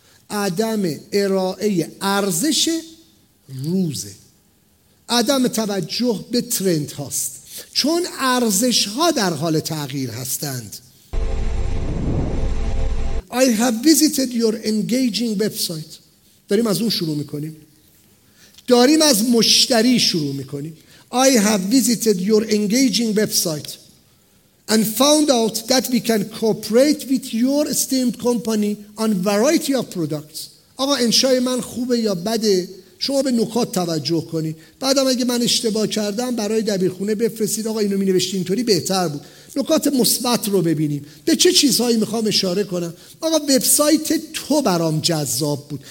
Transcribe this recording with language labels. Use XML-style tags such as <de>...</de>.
<fa>عدم ارائه ارزش روزه، عدم توجه به ترند هاست، چون ارزش ها در حال تغییر هستند.</fa> <en>I have visited your engaging website.</en> <fa>داریم از اون شروع میکنیم، داریم از مشتری شروع میکنیم.</fa> <en>I have visited your engaging website and found out that we can cooperate with your esteemed company on variety of products.</en> <fa>آقا انشای من خوبه یا بده؟ شما به نکات توجه کنی. بعدم اگه من اشتباه کردم برای دبیرخونه بفرستید آقا اینو می‌نوشتی اینطوری بهتر بود. نکات مثبت رو ببینیم. به چه چیزهایی می‌خوام اشاره کنم؟ آقا وبسایت تو برام جذاب بود.</fa>